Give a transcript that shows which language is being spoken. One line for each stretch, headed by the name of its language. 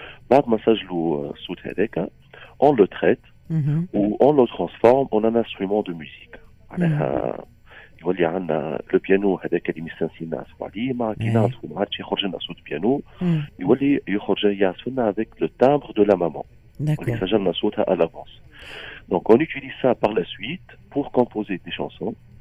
Arabic: بعد ما سجلوا الصوت هذاك
French: on le traite on le transforme en un instrument de musique.
Arabic: معناها يولي عنا البيانو هذاك اللي مستنسينا نعزفوا عليه مع كي نعزفوا معادش يخرج لنا صوت بيانو، يولي يخرج يعزف لنا
French: avec le timbre de la maman. D'accord. On exagère la sauté à l'avance. Donc on utilise ça par la suite pour composer des chansons.